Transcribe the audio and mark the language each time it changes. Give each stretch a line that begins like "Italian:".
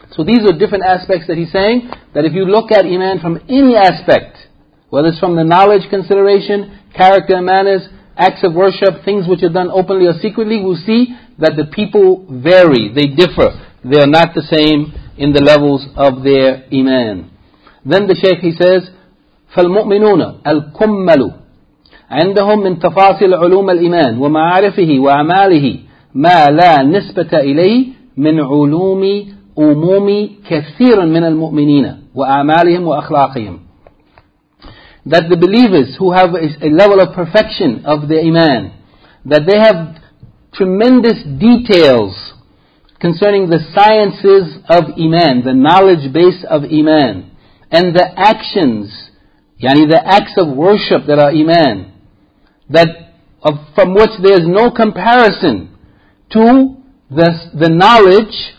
English: So these are different aspects that he's saying, that if you look at iman from any aspect, whether it's from the knowledge consideration, character and manners, acts of worship, things which are done openly or secretly, we'll see that the people vary, they differ. They are not the same in the levels of their iman.
Arabic: Then the shaykh, he says, فَالْمُؤْمِنُونَ الْكُمَّلُ عَنْدَهُمْ مِنْ تَفَاصِلْ عُلُومَ الْإِيمَانِ وَمَعَارِفِهِ وَأَعْمَالِهِ مَا لَا نِسْبَةَ إِلَيْهِ مِنْ عُلُومِ أُمُومِ كَثِيرٌ مِنَ الْمُؤْمِنِينَ وَأَعْمَالِهِمْ وَأَخْلَاقِهِمْ.
English: That the believers who have a level of perfection of their iman, that they have tremendous details concerning the sciences of iman, the knowledge base of iman, and the actions, yani the acts of worship that are iman, that of, from which there is no comparison to the knowledge